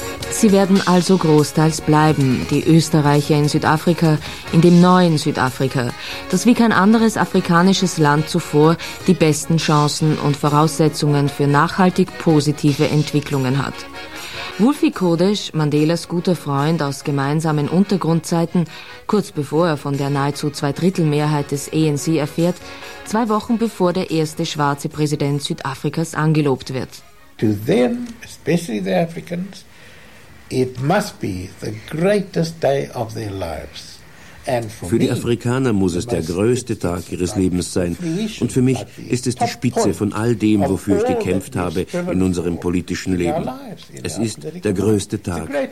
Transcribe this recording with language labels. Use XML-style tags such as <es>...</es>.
<de>Sie werden also großteils bleiben, die Österreicher in Südafrika, in dem neuen Südafrika, das wie kein anderes afrikanisches Land zuvor die besten Chancen und Voraussetzungen für nachhaltig positive Entwicklungen hat. Wulfie Kodesh, Mandelas guter Freund aus gemeinsamen Untergrundzeiten, kurz bevor er von der nahezu Zweidrittelmehrheit des ANC erfährt, 2 Wochen bevor der erste schwarze Präsident Südafrikas angelobt wird.</de> <en>To them, especially the Africans, it must be the greatest day of their lives.</en> <de>Für die Afrikaner muss es der größte Tag ihres Lebens sein. Und für mich ist es die Spitze von all dem, wofür ich gekämpft habe in unserem politischen Leben. Es ist der größte Tag.</de>